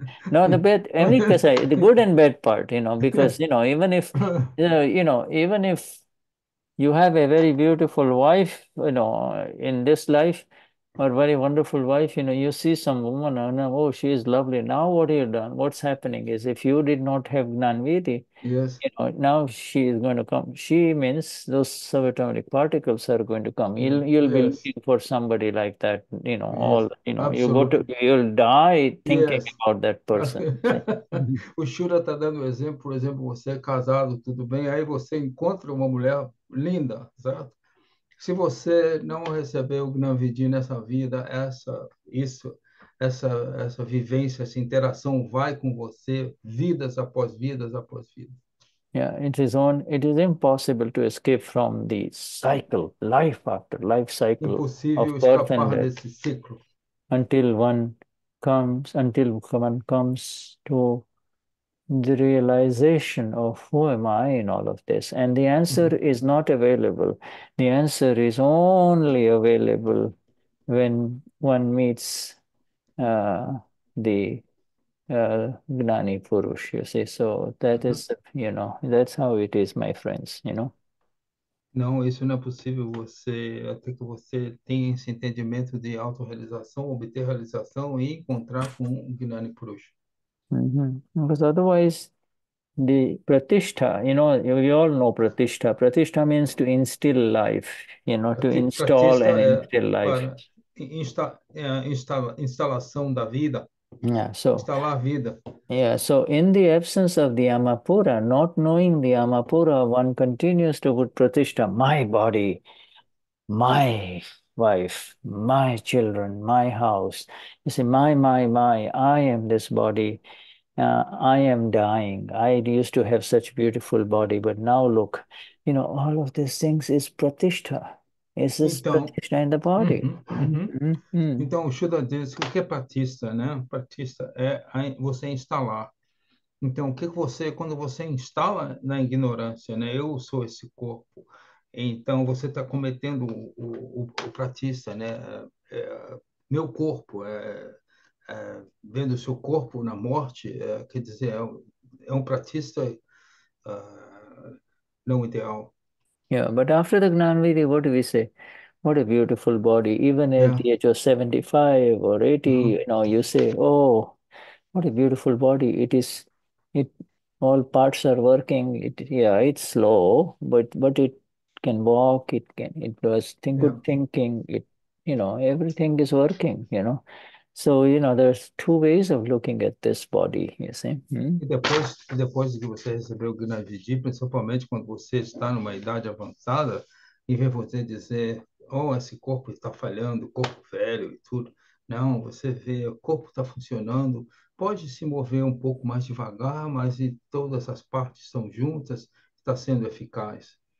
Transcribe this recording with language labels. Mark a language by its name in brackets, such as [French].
[English] No, the bad, any kashai, the good and bad part, you know, because, you know, even if you have a very beautiful wife, you know, in this life, or very wonderful wife, you know, you see some woman, and she is lovely. Now what have you done? What's happening is, if you did not have Gnanviti, you know, now she is going to come. She means those subatomic particles are going to come. You'll be looking for somebody like that, you know, Absolutely. You'll die thinking about that person. [Portuguese] O Shura está dando um exemplo, por exemplo, você é casado, tudo bem, aí você encontra uma mulher linda, certo? Se você não receber o Gnanvidi nessa vida, essa vivência, essa interação vai com você vidas após vidas após vidas. [English] It is impossible to escape from the cycle, life after life cycle. [Portuguese] Impossível [English] of birth [Portuguese] escapar [English] and [Portuguese] desse ciclo. [English] Until one comes to the realization of who am I in all of this, and the answer is not available. The answer is only available when one meets Gnani Purush, you see. So that is, you know, that's how it is, my friends, you know. [Portuguese] Não, isso não é possível. Você, até que você tenha esse entendimento de autorrealização, obter realização e encontrar com o Gnani Purush. [English] Because otherwise, the pratishtha, we all know pratishtha. Pratishtha means to instill life, to install [Portuguese] Pratista [English] and [Portuguese] é [English] instill life. [Portuguese] para instalação da vida, instalar a vida. [English] So in the absence of the Amapura, not knowing the Amapura, one continues to put pratishtha, my body, my wife, my children, my house. You see, my, I am this body. I am dying. I used to have such beautiful body, but now look, all of these things is pratishtha. Is this [Portuguese] Então, [English] pratishtha in the body? [Portuguese] Então, o Shuddha diz, o que é pratista, né? Pratista é você instalar. Então, o que você, quando você instala na ignorância, né? Eu sou esse corpo. Então, você está cometendo o pratista, né? Meu corpo, vendo o seu corpo na morte, quer dizer, é um pratista não ideal. [English] Yeah, but after the Gnanvidhi, what do we say? What a beautiful body. Even at the age of 75 or 80, you say, oh, what a beautiful body. It is, it all parts are working. It's slow, but it can walk, it can it was think good thinking, it everything is working, So, there's two ways of looking at this body, you see. [Portuguese] E depois que você recebeu o Gnanvidhi, principalmente quando você está numa idade avançada, e vê você dizer: oh, esse corpo está falhando, corpo velho e tudo. Não, você vê, o corpo está funcionando, pode se mover um pouco mais devagar, mas e todas as partes estão juntas, está sendo eficaz.